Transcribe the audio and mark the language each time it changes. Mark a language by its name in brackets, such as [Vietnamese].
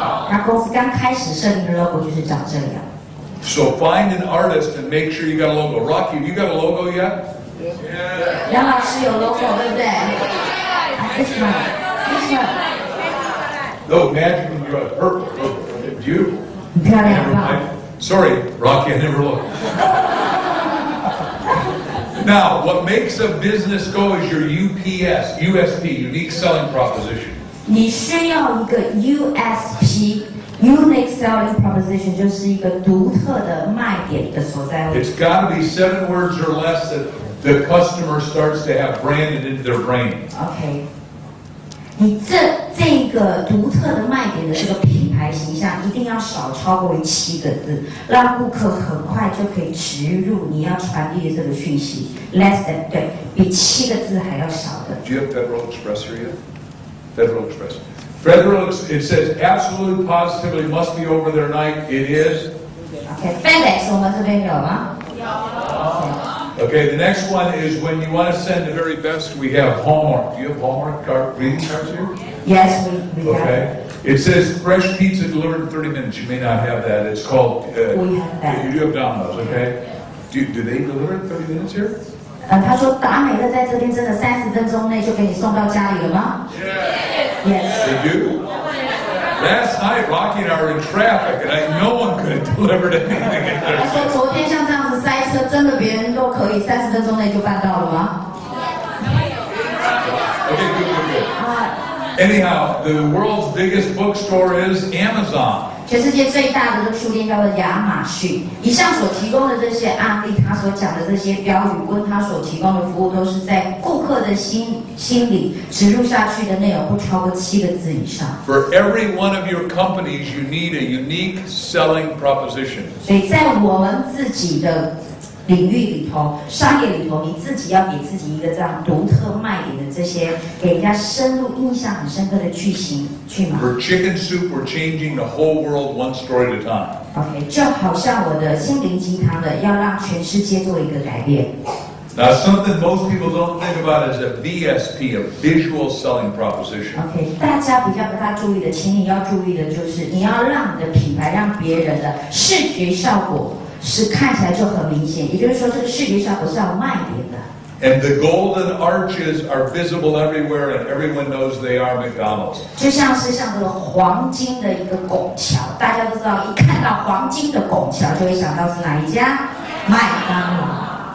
[Chinese] 他公司刚开始设定的 logo 就是长这样。 [English] So find an artist and make sure you got a logo. Rocky, have you got a logo yet? Yeah. [Chinese] 杨老师有 logo 对不对？为什么？为什么？ [English] No, magic when you're purple. Do you? [Chinese] 漂亮吧。 [English] Sorry, Rocky, I never looked. Now, what makes a business go is your UPS, USP, unique selling proposition. [Chinese] 你需要一个 USP. Unique selling proposition 就是一个独特的卖点的所在。 [English] It's got to be 7 words or less that the customer starts to have branded into their brain. Okay. [Chinese] 你这个独特的卖点的这个品牌形象一定要少超过7个字，让顾客很快就可以植入你要传递的这个讯息。 [English] Less than [Chinese] 对，比7个字还要少的。 [English] Do you have Federal Express here yet? Federal Express. Federal, it says absolutely positively must be over there tonight. It is. [Chinese] Okay, FedEx, 我们这边有吗？有。 [English] Okay, the next one is when you want to send the very best, we have Hallmark. Do you have Hallmark card greeting cards here? Yes, we have. Okay, it says fresh pizza delivered in 30 minutes. You may not have that. It's called. We have that. You do have Domino's, okay? Do they deliver in 30 minutes here? [Chinese] 他说达美乐在这边真的30分钟内就给你送到家里了吗 [English] ？Yes. They do. Last night, Rocky and I were in traffic, and no one could have delivered anything. [Chinese] 他说昨天像这样子塞车，真的别人都可以30分钟内就办到了吗 [English] ？Okay, good. Anyhow, the world's biggest bookstore is Amazon. [Chinese] 全世界最大的书店叫做亚马逊。以上所提供的这些案例，他所讲的这些标语，跟他所提供的服务，都是在顾客的心里植入下去的内容，不超过7个字以上。 [English] For every one of your companies, you need a unique selling proposition. [Chinese] 所以在我们自己的领域里头、商业里头，你自己要给自己一个这样独特卖点的这些，给人家深入印象很深刻的句型去吗 [English] ？For chicken soup, we're changing the whole world one story at a time. [Chinese] OK， 就好像我的心灵鸡汤的，要让全世界做一个改变。 [English] Now, something most people don't think about is a VSP, a visual selling proposition. [Chinese] OK， 大家比较不大注意的，请你要注意的就是，你要让你的品牌让别人的视觉效果是看起来就很明显，也就是说，这个视觉效果是要卖点的。 [English] And the golden arches are visible everywhere, and everyone knows they are McDonald's. [Chinese] 就像是像这个黄金的一个拱桥，大家都知道，一看到黄金的拱桥，就会想到是哪一家，麦当劳。